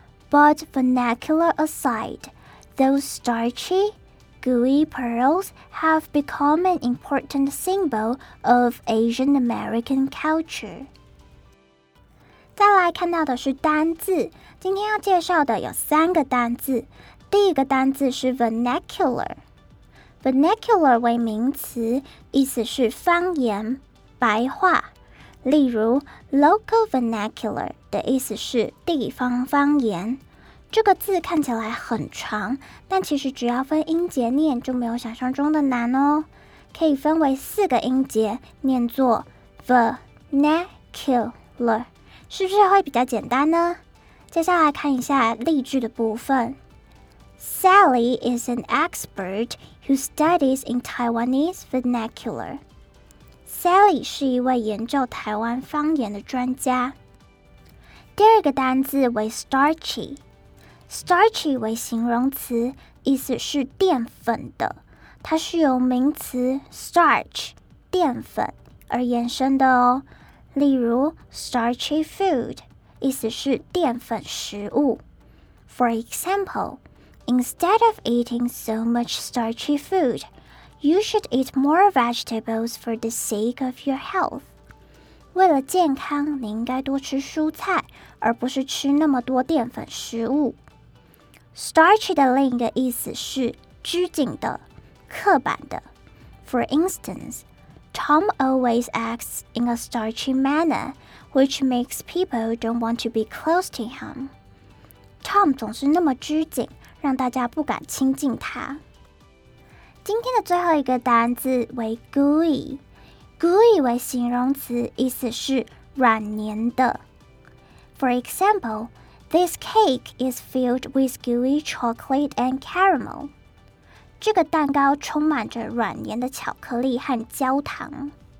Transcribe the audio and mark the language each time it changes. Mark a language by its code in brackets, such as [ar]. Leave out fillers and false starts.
[en] But vernacular aside, those starchy, gooey pearls have become an important symbol of Asian American culture. [zh] 再来看到的是单字，今天要介绍的有三个单字。第一个单字是 vernacular. Vernacular 为名词，意思是方言、白话。例如 ,local vernacular 的意思是地方方言。这个字看起来很长，但其实只要分音节念就没有想象中的难哦。可以分为四个音节念作 vernacular， 是不是会比较简单呢？接下来看一下例句的部分。 [en] Sally is an expert who studies in Taiwanese vernacular. [zh] Sally 是一位研究台湾方言的专家。第二个单字为 starchy， starchy 为形容词，意思是淀粉的，它是由名词 starch 淀粉而延伸的哦。例如 starchy food 意思是淀粉食物。 [en] For example， instead of eating so much starchy foodYou should eat more vegetables for the sake of your health. [zh] 为了健康，你应该多吃蔬菜，而不是吃那么多淀粉食物。 Starchy 的另一个意思是拘谨的、刻板的。 [en] For instance, Tom always acts in a starchy manner, which makes people don't want to be close to him. [zh] Tom 总是那么拘谨，让大家不敢亲近他。今天的最后一个单字为 gooey， gooey 为形容词，意思是软黏的。 [en] For example, this cake is filled with gooey chocolate and caramel. [zh] 这个蛋糕充满着软黏的巧克力和焦糖。